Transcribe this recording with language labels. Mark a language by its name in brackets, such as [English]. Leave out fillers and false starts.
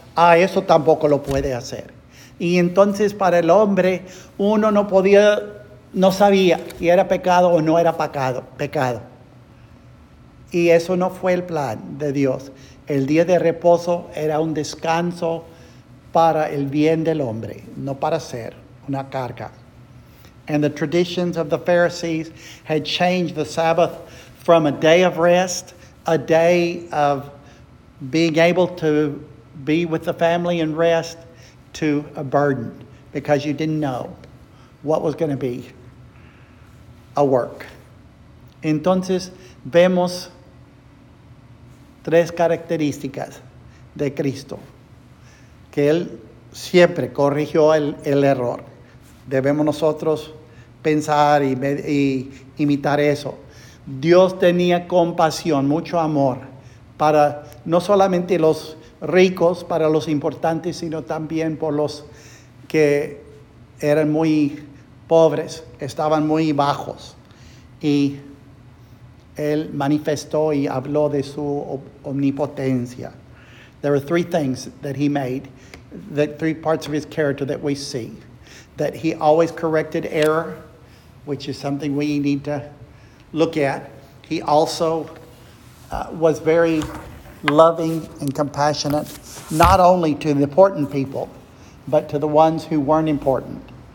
[Spanish] Ah, eso tampoco lo puede hacer. Y entonces para el hombre, uno no podía, no sabía si era pecado o no era pecado. Y eso no fue el plan de Dios. El día de reposo era un descanso para el bien del hombre, no para ser una carga. [English] And the traditions of the Pharisees had changed the Sabbath from a day of rest, a day of being able to be with the family and rest, to a burden, because you didn't know what was going to be a work. [Spanish] Entonces, vemos tres características de Cristo, que Él siempre corrigió el error. Debemos nosotros pensar y imitar eso. Dios tenía compasión, mucho amor para no solamente los ricos, para los importantes, sino también por los que eran muy pobres, estaban muy bajos. Y Él manifestó y habló de su omnipotencia. [English] There were three things that He made, the three parts of His character that we see. That He always corrected error, which is something we need to look at. He also was very loving and compassionate, not only to the important people, but to the ones who weren't important.